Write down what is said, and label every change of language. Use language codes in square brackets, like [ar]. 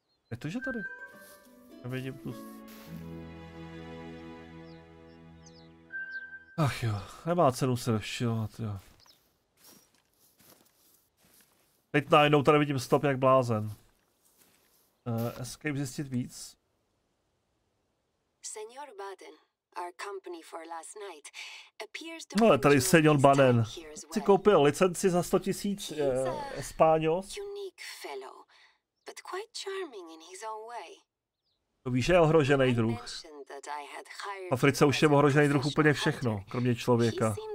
[cs] Je to, že tady? Nevidím tu. Ach jo, nemá cenu se rozčilovat, jo. Teď najednou tady vidím stop jak blázen. Escape zjistit víc. [en] Senor Baden, our company for last night, appears to be. [cs] No, tady Senor Baden. Si koupil licenci za 100 000 Espanos. [en] Unique fellow, but quite charming in his own way. [cs] To víš, že je ohrožený druh. V Africe už je ohrožený druh úplně všechno, kromě člověka.